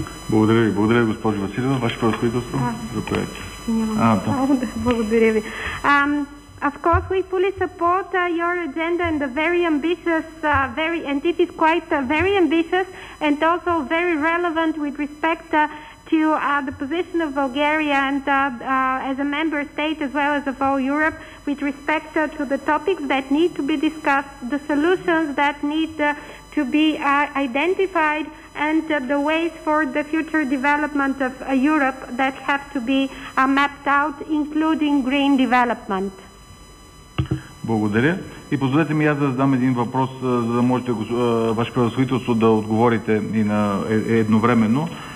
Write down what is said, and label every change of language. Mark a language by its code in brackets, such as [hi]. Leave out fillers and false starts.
[bg] Благодаря ви. Благодаря, госпожо Василева. Ваше правителство. Заповядайте. Благодаря ви. [en] Of course, we fully support your agenda and the very ambitious, and it is quite very ambitious and also very relevant with respect to the position of Bulgaria and as a member state as well as of all Europe with respect to the topics that need to be discussed, the solutions that need to be identified, and the ways for the future development of Europe that have to be mapped out, including green development. [bg] Благодаря. И позволете ми аз да задам един въпрос, за да можете ваше правителство да отговорите и на едновременно.